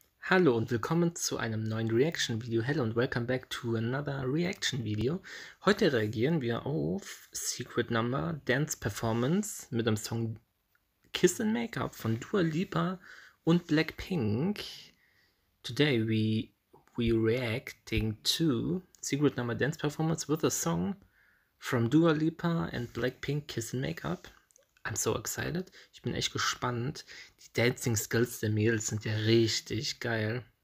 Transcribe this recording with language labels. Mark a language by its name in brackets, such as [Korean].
[German] Hallo und willkommen zu einem neuen Reaction Video. [English] Hello and welcome back to another Reaction Video. [German] Heute reagieren wir auf Secret Number Dance Performance mit dem Song Kiss and Makeup von Dua Lipa und Blackpink. [English] Today we reacting to Secret Number Dance Performance with a song from Dua Lipa and Blackpink Kiss and Makeup. I'm so excited. [German] Ich bin echt gespannt. Die Dancing Skills der Mädels sind ja richtig geil.